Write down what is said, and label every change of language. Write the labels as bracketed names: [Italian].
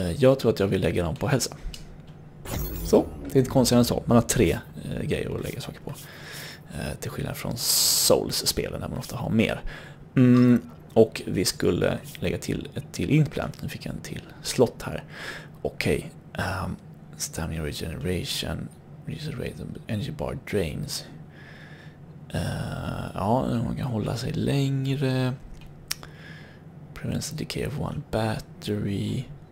[Swedish] Jag tror att jag vill lägga dem på hälsa. Så, det är inte konstigt än så. Man har tre grejer att lägga saker på. Till skillnad från Souls-spelen där man ofta har mer. Mm, och vi skulle lägga till ett till implant. Nu fick jag en till slott här. [English] Okej. Stamina regeneration. Reduce rate of energy bar drains. [Swedish] Man kan hålla sig längre. [English] Prevents the decay of one battery.